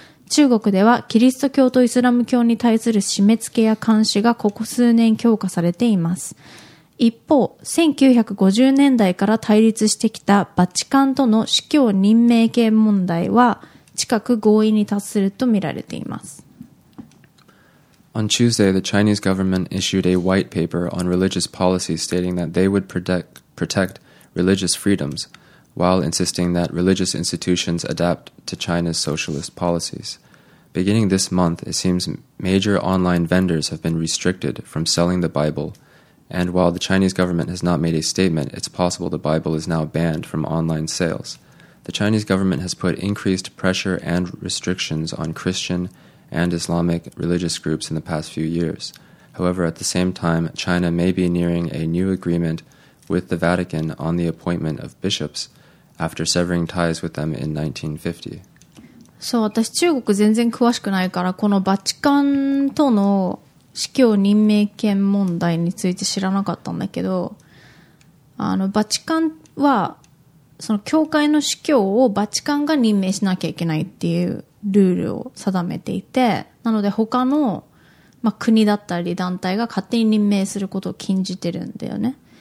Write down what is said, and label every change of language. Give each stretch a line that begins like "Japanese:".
Japanese: 中国ではキリスト教とイスラム教に対する締め付けや監視がここ数年強化されています。一方、1950年代から対立してきたバチカンとの司教任命権問題は近く合意に達するとみられています。
English: On Tuesday, the Chinese government issued a white paper on religious policy stating that they would protect religious freedoms, while insisting that religious institutions adapt to China's socialist policies. Beginning this month, it seems major online vendors have been restricted from selling the Bible, and while the Chinese government has not made a statement, it's possible the Bible is now banned from online sales. The Chinese government has put increased pressure and restrictions on Christian and Islamic religious groups in the past few years. However, at the same time, China may be nearing a new agreementwith the Vatican on the appointment of bishops after severing ties with them in 1950.
Japanese: そう、私中国全然詳しくないから、このバチカンとの司教任命権問題について知らなかったんだけど、あのバチカンはその教会の司教をバチカンが任命しなきゃいけないっていうルールを定めていて、なので他の、まあ、国だったり団体が勝手に任命することを禁じてるんだよね。